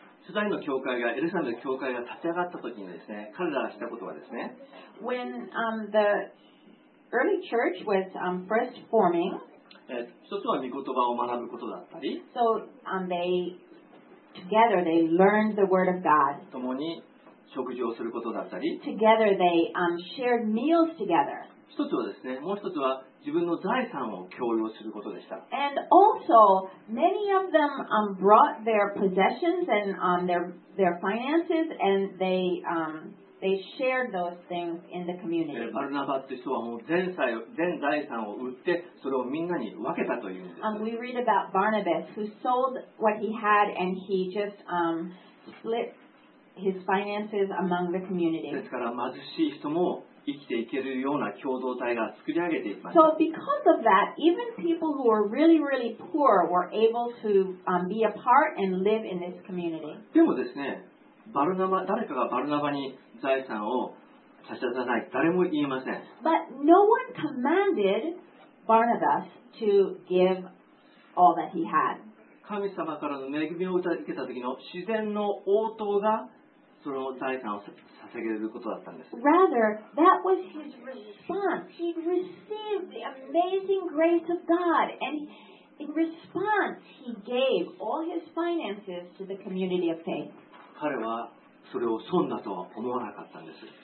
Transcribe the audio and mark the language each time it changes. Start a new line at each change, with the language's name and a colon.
Japanese: 初代の教会がエルサレムの教会が立ち上がった時にですね、彼らがしたことはですね。
English: When the Early church was first forming.
Japanese: 一つは御言葉を学ぶことだったり。
English: So they together they learned the word of God.
Japanese: 共に食事をすることだったり
English: together they, shared meals together.
Japanese: 一つはですね、もう一つは自分の財産を共有することでした。
English: And also, many of them, brought their possessions and, their finances and they, they shared those things in the community.
Japanese: バルナバって人はもう全財産を売ってそれをみんなに分けたというんです。
English: We read about Barnabas who sold what he had and he just, split his finances among the community.
Japanese: ですから貧しい人も生きていけるような共同体が作り上げていました。
English: So because of that, even people who were really, really poor were able to, be a part and live in this community.
Japanese: でもですね、バルナバ、誰かがバルナバに財産を差し出さない。誰も言いません。
English: But no one commanded Barnabas to give all that he had.
Japanese: 神様からの恵みを受けた時の自然の応答がその財産を捧げることだったんです。
English: Rather, that was his response. He received the amazing grace of God, and in response, he gave all his finances to the community of faith.
Japanese: 彼はそれを損だとは思わなかったんです。